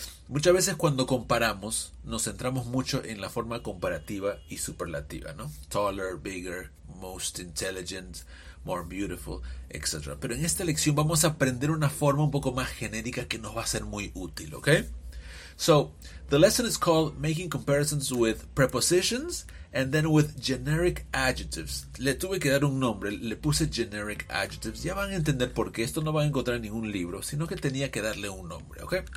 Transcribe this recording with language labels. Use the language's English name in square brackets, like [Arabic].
[Spanish] Muchas veces cuando comparamos, nos centramos mucho en la forma comparativa y superlativa, ¿no? [English] Taller, bigger, most intelligent, more beautiful, etc. [Spanish] Pero en esta lección vamos a aprender una forma un poco más genérica que nos va a ser muy útil, ¿ok? [English] So, the lesson is called Making Comparisons with Prepositions and then with Generic Adjectives. [Spanish] Le tuve que dar un nombre, le puse Generic Adjectives. Ya van a entender por qué, esto no van a encontrar en ningún libro, sino que tenía que darle un nombre, ¿ok?